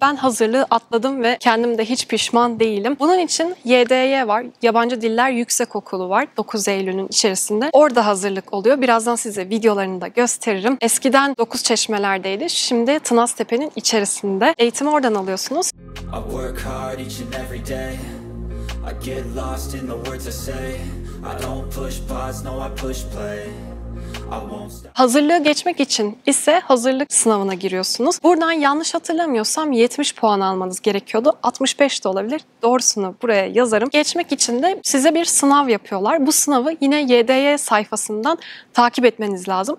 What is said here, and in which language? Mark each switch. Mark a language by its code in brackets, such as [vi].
[tr] Ben hazırlığı atladım ve kendim de hiç pişman değilim. Bunun için YDY var. Yabancı Diller Yüksek Okulu var 9 Eylül'ün içerisinde. Orada hazırlık oluyor. Birazdan size videolarını da gösteririm. Eskiden 9 Çeşmeler'deydi. Şimdi Tınaz Tepe'nin içerisinde. Eğitimi oradan alıyorsunuz. [en] I work hard each and every day. I get lost in the words I say. I don't push pause, no I push play. [tr] Hazırlığı geçmek için ise hazırlık sınavına giriyorsunuz. Buradan yanlış hatırlamıyorsam 70 puan almanız gerekiyordu. 65 de olabilir. Doğrusunu buraya yazarım. Geçmek için de size bir sınav yapıyorlar. Bu sınavı yine YDY sayfasından takip etmeniz lazım.